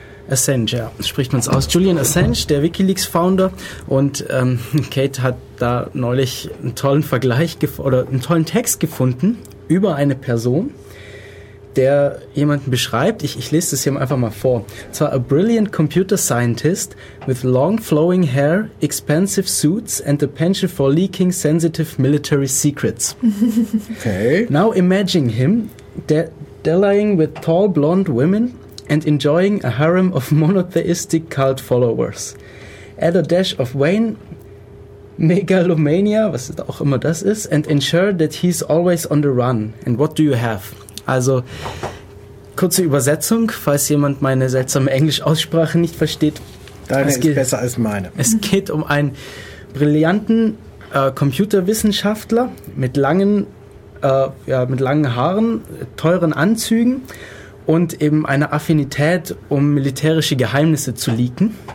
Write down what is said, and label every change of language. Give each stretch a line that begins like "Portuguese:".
German: Assange, ja, spricht man es aus. Julian Assange, der WikiLeaks-Founder. Und Kate hat da neulich einen tollen Vergleich oder einen tollen Text gefunden über eine Person, der jemanden beschreibt. Ich lese das hier einfach mal vor. Und zwar:
English: A brilliant computer scientist with long flowing hair, expensive suits and a penchant for leaking sensitive military secrets. Okay. Now imagine him dallying with tall blonde women and enjoying a harem of monotheistic cult followers. Add a dash of Wayne Megalomania,
German: was auch immer das ist,
English: and ensure that he's always on the run. And what do you have?
German: Also, kurze Übersetzung, falls jemand meine seltsame Englischaussprache nicht versteht. Deine ist besser als meine. Es geht um einen brillanten Computerwissenschaftler mit langen, mit langen Haaren, teuren Anzügen und eben eine Affinität, um militärische Geheimnisse zu leaken.